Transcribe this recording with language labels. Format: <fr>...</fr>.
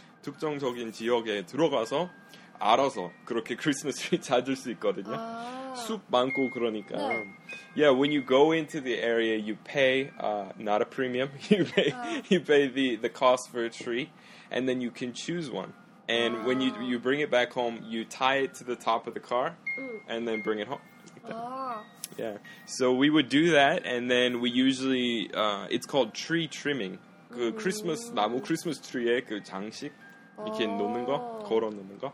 <ko>특정적인 지역에 들어가서 알아서 그렇게 크리스마스를 찾을 수 있거든요. 아. 숲 많고 그러니까. 네.</ko> <en>Yeah, when you go into the area, you pay not a premium. You pay the cost for a tree, and then you can choose one. And when you bring it back home, you tie it to the top of the car, and then bring it home. Like that. Yeah. So we would do that, and then we usually it's called tree trimming.</en> <ko>그 크리스마스 나무 크리스마스 트리에 그 장식. 이렇게 놓는 거, 걸어 놓는 거.</ko>